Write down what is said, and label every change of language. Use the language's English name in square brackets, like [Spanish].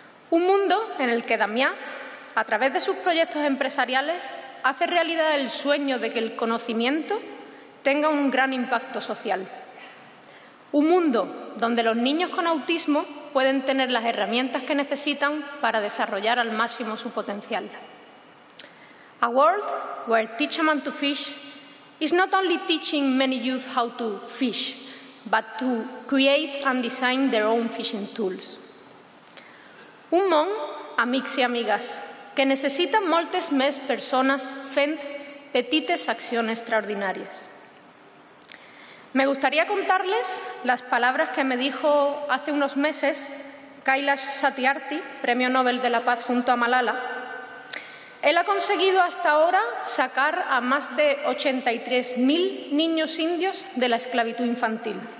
[Spanish] Un mundo en el que Damián, a través de sus proyectos empresariales, hace realidad el sueño de que el conocimiento tenga un gran impacto social. Un mundo donde los niños con autismo pueden tener las herramientas que necesitan para desarrollar al máximo su potencial. [English] A world where teach a man to fish is not only teaching many youth how to fish, but to create and design their own fishing tools. [Catalan] Un món, amics i amigues, que necessita moltes més persones fent petites accions extraordinàries. [Spanish] Me gustaría contarles las palabras que me dijo hace unos meses Kailash Satyarthi, Premio Nobel de la Paz junto a Malala. Él ha conseguido hasta ahora sacar a más de 83.000 niños indios de la esclavitud infantil.